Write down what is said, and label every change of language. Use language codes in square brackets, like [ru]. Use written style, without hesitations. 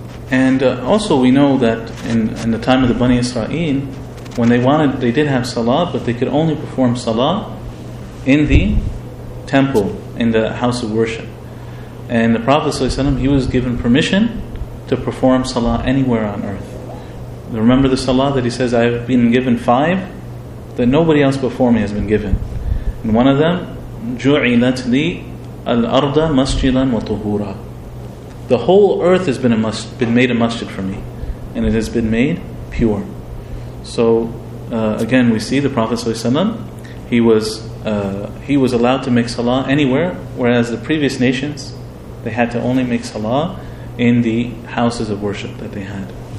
[en] And also we know that in the time of the Bani Israel, when they wanted, they did have salah, but they could only perform salah in the temple, in the house of worship. And the Prophet ﷺ, he was given permission to perform salah anywhere on earth. Remember the salah that he says, I have been given five that nobody else before me has been given. And one of them, [ar] جُعِلَتْ لِي الْأَرْضَ مَسْجِدًا وَطُهُورًا. [en] The whole earth has been made a masjid for me, and it has been made pure. So again, we see the Prophet ﷺ, he was allowed to make salah anywhere, whereas the previous nations, they had to only make salah in the houses of worship that they had.